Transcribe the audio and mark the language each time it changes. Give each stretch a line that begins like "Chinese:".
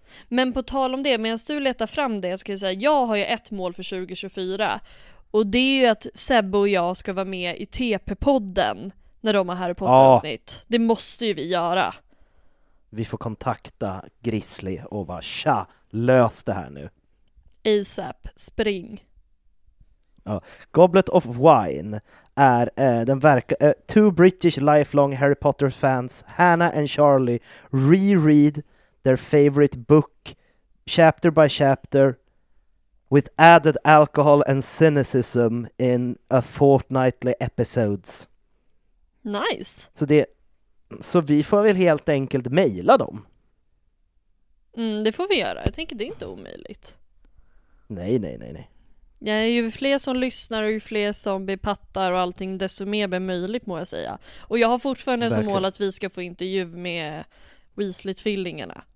Swedish: Men på tal om det, medan du letar fram det, så kan jag säga att jag har ju ett mål för 2024. Och det är ju att Sebbe och jag ska vara med i TP-podden när de har Harry Potter-avsnitt. Ja. Det måste ju vi göra. Vi får kontakta Grizzly och bara, tja, lös det här nu. ASAP, spring. Ja.
English: Goblet of Wine
Swedish: är
English: two British lifelong Harry Potter fans, Hannah and Charlie, reread their favorite book chapter by chapter with added alcohol and cynicism in a fortnightly episodes.
Swedish: Nice. Så vi får väl helt enkelt mejla dem. Mm, det får vi göra. Jag tänker det är inte omöjligt. Nej. Ja, ju fler som lyssnar och ju fler som bepattar och allting, desto mer blir möjligt, må jag säga. Och jag har fortfarande verkligen som mål att vi ska få intervju med Weasley-tvillingarna.